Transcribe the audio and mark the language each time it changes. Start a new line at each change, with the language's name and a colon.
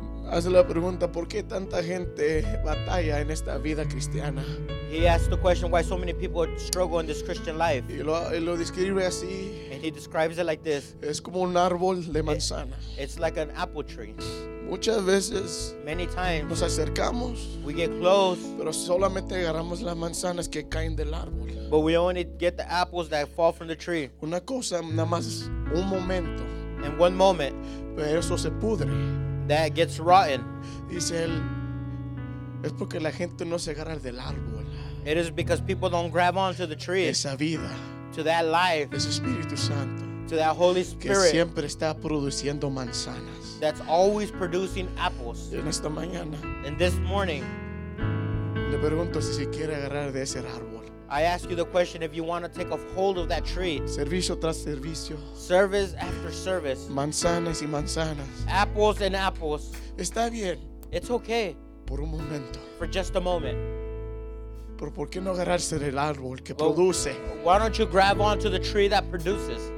Spanish: Hace la pregunta, ¿por qué tanta gente batalla en esta vida cristiana?
English: He asked the question, why so many people struggle in this Christian life?
Spanish: Y lo describe así.
English: And he describes it like this.
Spanish: Es como un árbol de manzana.
English: It's like an apple tree.
Spanish: Muchas veces,
English: many times,
Spanish: nos acercamos,
English: we get close,
Spanish: pero solamente agarramos las manzanas que caen del árbol.
English: But we only get the apples that fall from the tree.
Spanish: Una cosa, nada más, un momento.
English: In one moment.
Spanish: Pero eso se pudre.
English: That gets rotten.
Spanish: Dice él, es porque la gente no se agarra del árbol.
English: It is because people don't grab onto the tree.
Spanish: Esa vida.
English: To that life.
Spanish: Ese Espíritu Santo.
English: To that Holy Spirit.
Spanish: Que siempre está produciendo manzanas.
English: That's always producing apples.
Spanish: En esta mañana.
English: And this morning.
Spanish: Le pregunto si quiere agarrar de ese árbol.
English: I ask you the question if you want to take a hold of that tree.
Spanish: Servicio tras servicio.
English: Service after service.
Spanish: Manzanas y manzanas.
English: Apples and apples.
Spanish: Está bien.
English: It's okay.
Spanish: Por un momento.
English: For just a moment.
Spanish: Pero ¿por qué no agarrarse del árbol que produce?
English: Why don't you grab onto the tree that produces?